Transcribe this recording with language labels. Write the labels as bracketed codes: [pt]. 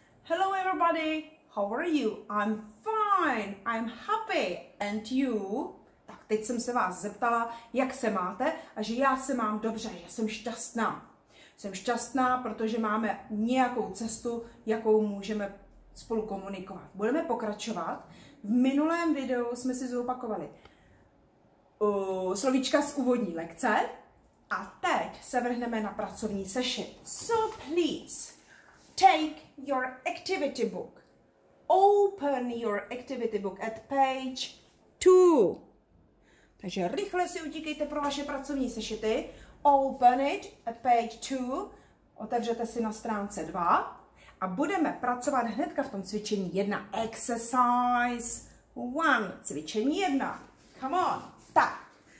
[en] Hello everybody, how are you? I'm fine, I'm happy, and you? [cs] Tak teď jsem se vás zeptala, jak se máte a že já se mám dobře, že jsem šťastná. Jsem šťastná, protože máme nějakou cestu, jakou můžeme spolu komunikovat. Budeme pokračovat. V minulém videu jsme si zopakovali slovíčka z úvodní lekce a teď se vrhneme na pracovní session. [en] So please, take your activity book. Open your activity book at page 2. [cs] Takže rychle si utíkejte pro vaše pracovní sešity. [en] Open it at page 2. [cs] Otevřete si na stránce 2. A budeme pracovat hnedka v tom cvičení 1. [en] Exercise 1. [cs] Cvičení 1. [en] Come on. Tak.